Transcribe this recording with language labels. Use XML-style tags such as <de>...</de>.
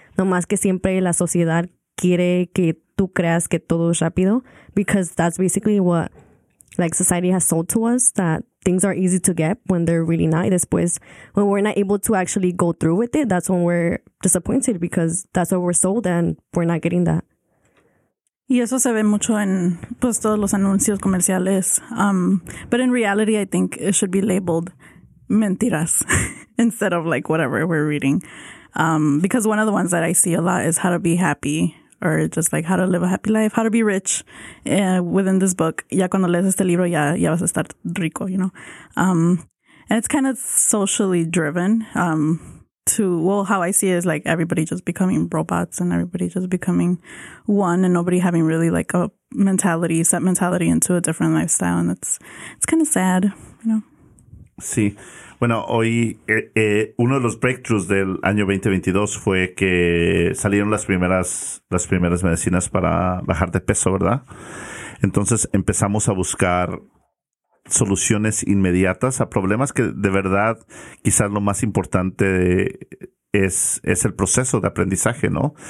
<es>No más que siempre la sociedad quiere que tú creas que todo es rápido,</es> <en>because that's basically what like society has sold to us, that things are easy to get when they're really not. Después, when we're not able to actually go through with it, that's when we're disappointed, because that's what we're sold and we're not getting that.</en> <es>Y eso se ve mucho en pues todos los anuncios comerciales.</es> <en>But in reality, I think it should be labeled mentiras instead of like whatever we're reading. Because one of the ones that I see a lot is how to be happy, or just like how to live a happy life, how to be rich within this book.</en> <es>Ya cuando lees este libro, ya vas a estar rico,</es> <en>you know. And it's kind of socially driven how I see it is like everybody just becoming robots and everybody just becoming one and nobody having really like a mentality, set mentality into a different lifestyle. And it's kind of sad, you know.</en> <es>Sí. Bueno, hoy uno de los breakthroughs del año 2022 fue que salieron las primeras medicinas para bajar de peso, ¿verdad? Entonces empezamos a buscar soluciones inmediatas a problemas que de verdad quizás lo más importante es el proceso de aprendizaje, ¿no?</es>